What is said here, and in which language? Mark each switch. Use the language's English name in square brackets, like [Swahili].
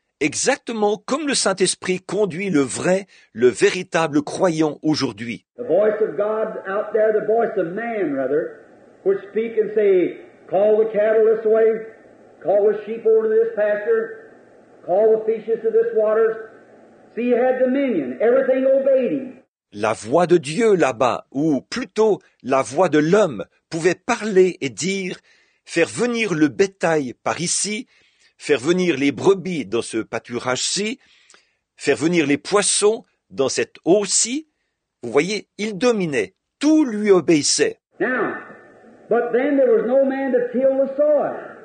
[French] Exactement comme le Saint-Esprit conduit le vrai, le véritable croyant aujourd'hui. [English] The voice of God out there, the voice of man rather, which speak and say, call the cattle this way, call the sheep over to this pasture, call the fishes to this water. See, he had dominion. Everything obeyed him. [French] La voix de Dieu là-bas, ou plutôt la voix de l'homme, pouvait parler et dire, faire venir le bétail par ici, faire venir les brebis dans ce pâturage-ci, faire venir les poissons dans cette eau-ci, vous voyez, il dominait, tout lui obéissait. [English] Now, but then there was no man to till the soil.